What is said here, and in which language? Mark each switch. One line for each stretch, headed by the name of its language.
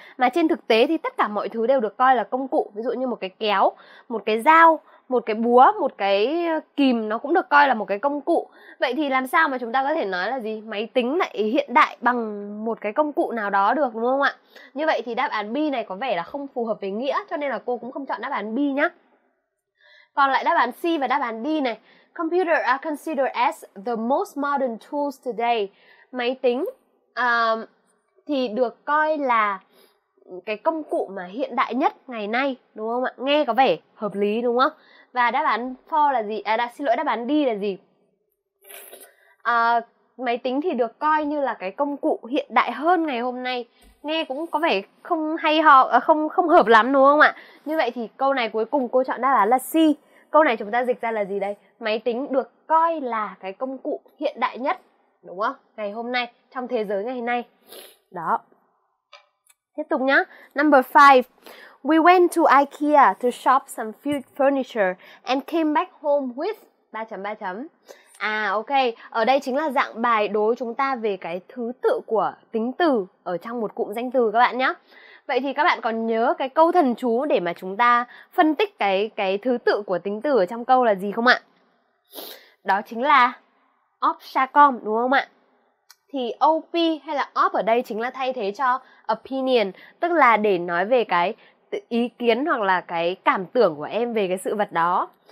Vietnamese: Mà trên thực tế thì tất cả mọi thứ đều được coi là công cụ, ví dụ như một cái kéo, một cái dao, một cái búa, một cái kìm, nó cũng được coi là một cái công cụ. Vậy thì làm sao mà chúng ta có thể nói là gì, máy tính lại hiện đại bằng một cái công cụ nào đó được đúng không ạ? Như vậy thì đáp án B này có vẻ là không phù hợp với nghĩa, cho nên là cô cũng không chọn đáp án B nhá. Còn lại đáp án C và đáp án D này.
English: Computer are considered as the most modern tools today.
Vietnamese: Máy tính thì được coi là cái công cụ mà hiện đại nhất ngày nay đúng không ạ? Nghe có vẻ hợp lý đúng không? Và đáp án for là gì? Đáp án D là gì? Máy tính thì được coi như là cái công cụ hiện đại hơn ngày hôm nay. Nghe cũng có vẻ không hay ho, không không hợp lắm đúng không ạ? Như vậy thì câu này cuối cùng cô chọn đáp án là C. Câu này chúng ta dịch ra là gì đây? Máy tính được coi là cái công cụ hiện đại nhất đúng không? Ngày hôm nay, trong thế giới ngày nay. Đó. Tiếp tục nhá.
English: Number 5. We went to IKEA to shop some furniture and came back home with 3.3.
Vietnamese: À ok, ở đây chính là dạng bài đối chúng ta về cái thứ tự của tính từ ở trong một cụm danh từ các bạn nhá. Vậy thì các bạn còn nhớ cái câu thần chú để mà chúng ta phân tích cái thứ tự của tính từ ở trong câu là gì không ạ? Đó chính là opshacom đúng không ạ? Thì op hay là op ở đây chính là thay thế cho opinion, tức là để nói về cái ý kiến hoặc là cái cảm tưởng của em về cái sự vật đó.